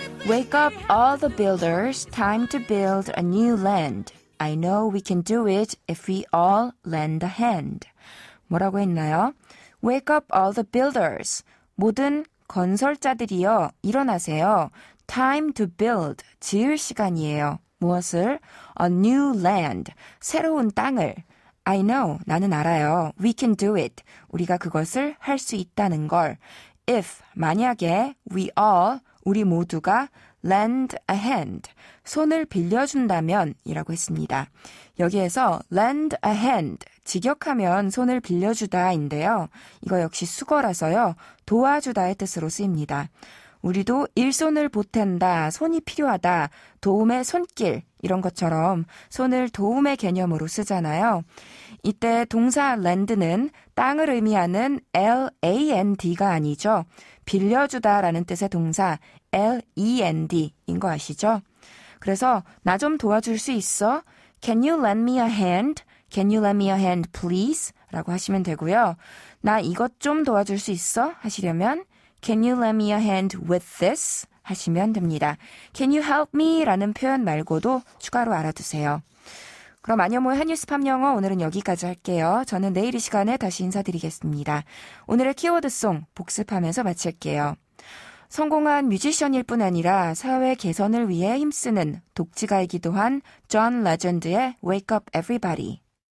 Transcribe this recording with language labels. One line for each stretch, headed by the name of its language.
English: Wake up all the builders, time to build a new land. I know we can do it if we all lend a hand.
Korean: 뭐라고 했나요?
English: Wake up all the builders.
Korean: 모든 건설자들이여, 일어나세요.
English: Time to build.
Korean: 지을 시간이에요. 무엇을?
English: A new land.
Korean: 새로운 땅을.
English: I know.
Korean: 나는 알아요.
English: We can do it.
Korean: 우리가 그것을 할 수 있다는 걸.
English: If,
Korean: 만약에,
English: we all,
Korean: 우리 모두가
English: lend a hand.
Korean: 손을 빌려준다면 이라고 했습니다. 여기에서
English: lend a hand.
Korean: 직역하면 손을 빌려주다인데요. 이거 역시 수거라서요. 도와주다의 뜻으로 쓰입니다. 우리도 일손을 보탠다, 손이 필요하다, 도움의 손길 이런 것처럼 손을 도움의 개념으로 쓰잖아요. 이때 동사 lend는 땅을 의미하는 land가 아니죠. 빌려주다라는 뜻의 동사 lend인 거 아시죠? 그래서 나 좀 도와줄 수 있어?
English: Can you lend me a hand? Can you lend me a hand, please?
Korean: 라고 하시면 되고요. 나 이것 좀 도와줄 수 있어? 하시려면
English: Can you lend me a hand with this?
Korean: 하시면 됩니다.
English: Can you help me?
Korean: 라는 표현 말고도 추가로 알아두세요. 그럼 안녕모의 한유스팝 영어 오늘은 여기까지 할게요. 저는 내일 이 시간에 다시 인사드리겠습니다. 오늘의 키워드송 복습하면서 마칠게요. 성공한 뮤지션일 뿐 아니라 사회 개선을 위해 힘쓰는 독지가이기도 한 존 레전드의 Wake Up Everybody.